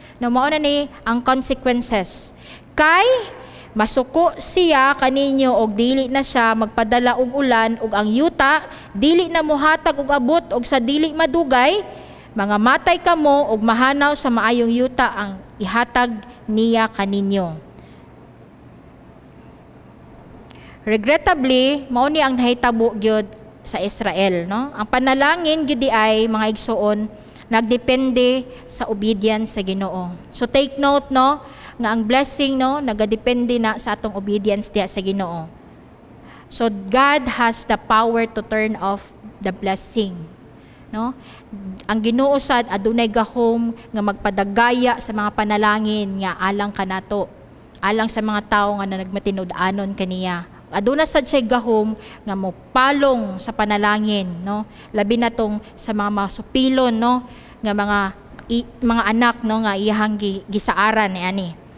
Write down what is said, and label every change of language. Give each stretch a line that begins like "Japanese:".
Cebuano: No, mao na ni ang consequences. Kay masuko siya kaninyo og dili na siya magpadala og ulan og ang yuta, dili na muhatag og abot og sa dili madugay, mga matay kamo og mahanaw sa maayong yuta ang ihatag niya kaninyo. Regrettably, mao ni ang nahitabo gyud sa Israel, no? Ang panalangin gyud ay mga igsoon nagdepende sa obedience sa Ginoo.
English: So take note,
Cebuano: no, nga ang blessing, no, nagadepende na sa atong obedience diha sa Ginoo.
English: So God has the power to turn off the blessing, no?
Cebuano: Ang Ginoo sad adunay gahom nga magpadagaya sa mga panalangin nga alang kanato, alang sa mga tawo nga nagmatinud-anon kaniya. Aduna sad siya gahom nga mo palong sa panalangin, no? Labi na tong sa mga masupilon, no, nga mga anak, no, nga iyang gisaaran ni ani.